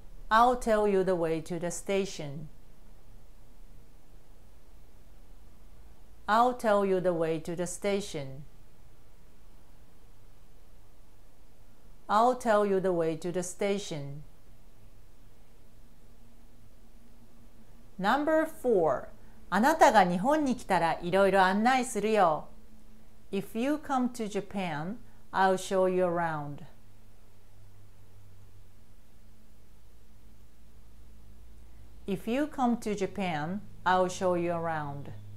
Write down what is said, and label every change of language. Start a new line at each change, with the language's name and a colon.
English: I'll tell you the way to the station. I'll tell you the way to the station. I'll tell you the way to the station. Number four.
Japanese: あなたが日本に来たらいろいろ案内するよ。
English: If you come to Japan, I'll show you around. If you come to Japan, I'll show you around.